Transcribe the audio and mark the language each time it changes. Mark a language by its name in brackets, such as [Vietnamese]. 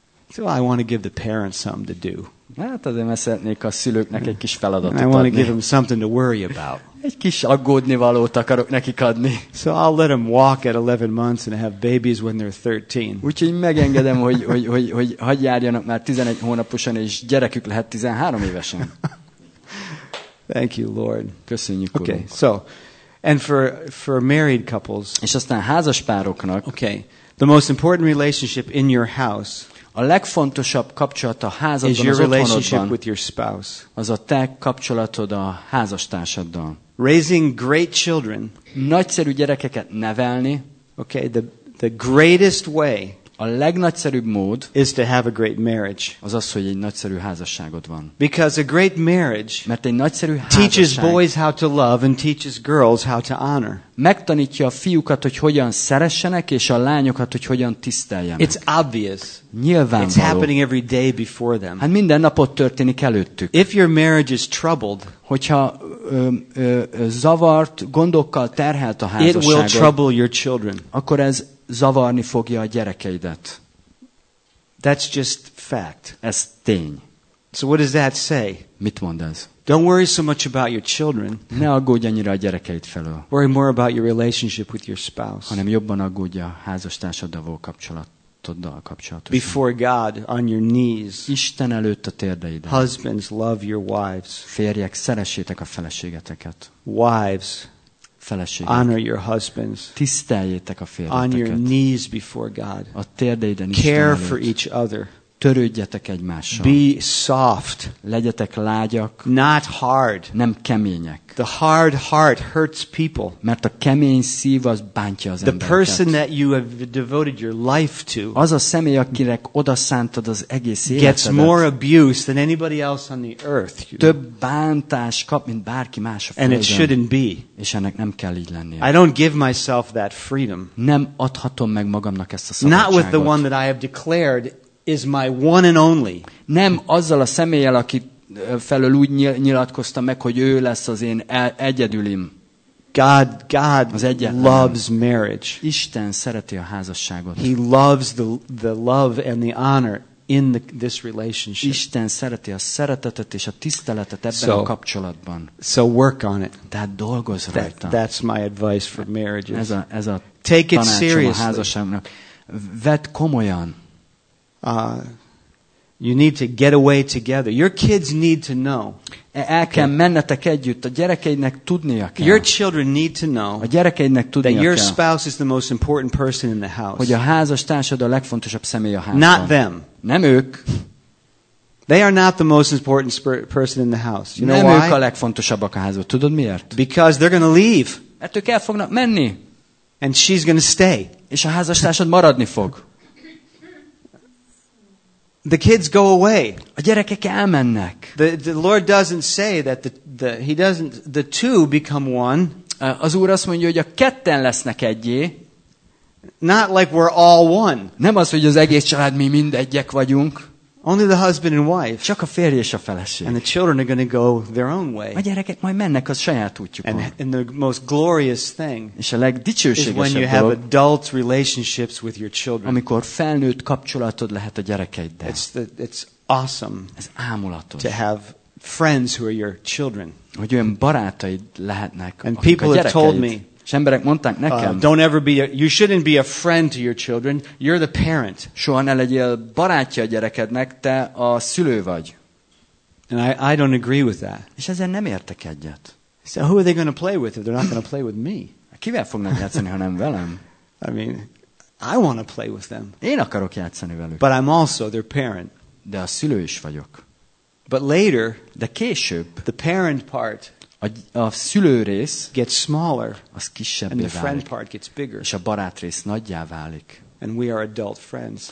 [English] So I want to give the parents something to do. [Hungarian] Hát azért mert szeretnék a szülőknek egy kis feladatot adni. [English] I want to give them something to worry about. [Hungarian] Egy kis aggódnivalót akarok nekik adni. [English] So I'll let them walk at 11 months and have babies when they're 13. [Hungarian] Úgyhogy megengedem, hogy hadd járjanak már 11 hónaposan, és gyerekük lehet 13 évesen. [English] Thank you, Lord. [Hungarian] Köszönjük, Urunk. [English] Okay, so, and for married couples. [Hungarian] És aztán házaspároknak. [English] Okay, the most important relationship in your house. [Hungarian] A legfontosabb kapcsolat a házadban, [English] is [Hungarian] az [English] your relationship with your spouse. [Hungarian] Az a te kapcsolatod a házastársaddal. [English] Raising great children. [Hungarian] Nagyszerű gyerekeket nevelni. [English] Okay, the greatest way. [Hungarian] A legnagyszerűbb mód. [English] Is to have a great marriage. [Hungarian] Az az, hogy egy nagyszerű házasságod van. [English] Because a great marriage. [Hungarian] Mert egy nagyszerű házasság. [English] Teaches boys how to love and teaches girls how to honor. [Hungarian] Megtanítja a fiúkat, hogy hogyan szeressenek, és a lányokat, hogy hogyan tiszteljenek. [English] It's obvious. [Hungarian] Nyilvánvaló. [English] It's happening every day before them. [Hungarian] Hát minden napot történik előttük. [English] If your marriage is troubled, [Hungarian] hogyha zavart gondokkal terhelt a házasságod, [English] it will trouble your children. [Hungarian] Akkor ez zavarni fogja a gyerekeidet. [English] That's just fact. [Hungarian] Ez tény. [English] So what does that say? [Hungarian] Mit mond ez? [English] Don't worry so much about your children. [Hungarian] Ne aggódj annyira a gyerekeid felől. [English] Worry more about your relationship with your spouse. [Hungarian] Hanem jobban aggódj a házastársaddal kapcsolatoddal kapcsolatosan. [English] Before God, on your knees. [Hungarian] Isten előtt a térdeidet. [English] Husbands, love your wives. [Hungarian] Férjek, szeressétek a feleségeteket. [English] Wives, [Hungarian] feleségek, [English] honor your husbands. [Hungarian] Tiszteljétek a férjeteket. [English] On your knees before God. [Hungarian] A térdeiden Isten [English] care [Hungarian] előtt. [English] For each other. [Hungarian] Törődjetek egymással. [English] Be soft. [Hungarian] Legyetek lágyak. [English] Not hard. [Hungarian] Nem kemények. [English] The hard heart hurts people. [Hungarian] Mert a kemény szív az bántja az embereket. [English] The person that you have devoted your life to. [Hungarian] Az a személy, akinek odaszántad az egész életedet. [English] Gets more abuse than anybody else on the earth. [Hungarian] Több bántást kap, mint bárki más a földön. [English] And it shouldn't be. [Hungarian] És ennek nem kell így lennie. [English] I don't give myself that freedom. [Hungarian] Nem adhatom meg magamnak ezt a szabadságot. [English] Not with the one that I have declared is my one and only. [Hungarian] Nem azzal a személlyel, aki felől úgy nyilatkoztam meg, hogy ő lesz az én egyedülim. [English] God [Hungarian] az egyetlen. [English] Loves marriage. [Hungarian] Isten szereti a házasságot. [English] He loves the love and the honor in this relationship. [Hungarian] Isten szereti a szeretetet és a tiszteletet ebben a kapcsolatban. [English] So work on it. [Hungarian] Tehát dolgozz rajta. [English] That's my advice for marriages. [Hungarian] Ez a tanácsom a házasságnak. Vedd komolyan. [English] You need to get away together. Your kids need to know. [Hungarian] El kell mennetek együtt, a gyerekeidnek tudnia kell. [English] Your children need to know. [Hungarian] A gyerekeidnek tudnia kell. [English] That your [Hungarian] kell. [English] Spouse is the most important person in the house. [Hungarian] Hogy a házastársad a legfontosabb személy a házban. [English] Not them. [Hungarian] Nem ők. [English] They are not the most important person in the house. You [Hungarian] nem [English] know [Hungarian] ők a legfontosabbak a házban. Tudod miért? [English] Because they're going to leave. [Hungarian] Mert ők el fognak menni. [English] And she's going to stay. [Hungarian] És a házastársad maradni fog. [English] The kids go away. [Hungarian] A gyerekek elmennek. [English] The Lord doesn't say that the he doesn't the two become one. [Hungarian] Az Úr azt mondja, hogy a ketten lesznek egyé. [English] Not like we're all one. [Hungarian] Nem az, hogy az egész család mi mind egyek vagyunk. [English] Only the husband and wife. [Hungarian] Csak a férj és a feleség. [English] And the children are going to go their own way. [Hungarian] A gyerekek majd mennek a saját útjukon. [English] And the most glorious thing. [Hungarian] És a legdicsőségesebb dolog. [English] When you have adult relationships with your children. [Hungarian] Amikor felnőtt kapcsolatod lehet a gyerekeiddel. [English] It's awesome. [Hungarian] Ez ámulatos. [English] To have friends who are your children. [Hungarian] Hogy olyan barátaid lehetnek. [English] And people have told me. [Hungarian] És emberek mondták nekem. [English] Don't ever be you shouldn't be a friend to your children. You're the parent. [Hungarian] Soha ne legyél barátja a gyerekednek, te a szülő vagy. [English] And I don't agree with that. [Hungarian] És ezzel nem értek egyet. [English] So who are they going to play with if they're not going to play with me? [Hungarian] Kivel fognak játszani, ha nem velem? [English] I mean, I want to play with them. [Hungarian] Én akarok játszani velük. [English] But I'm also their parent. [Hungarian] De a szülő is vagyok. [English] But later, [Hungarian] de később, [English] the parent part [Hungarian] a szülő rész [English] gets smaller, [Hungarian] az kisebbé [English] and the [Hungarian] válik, [English] friend part gets bigger. [Hungarian] És a barát rész nagyjá válik. [English] And we are adult friends.